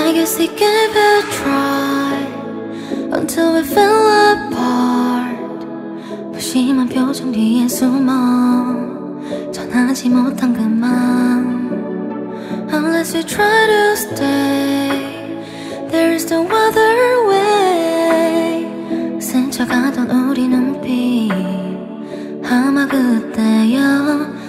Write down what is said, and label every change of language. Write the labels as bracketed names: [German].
[English] honestly gave it a try until we fell apart. [Korean] 무심한 표정 뒤에 숨어 전하지 못한 그 마음. [English] Unless you try to stay, there's no other way. [Korean] 스쳐가던 우리 눈빛 아마 그때였을까.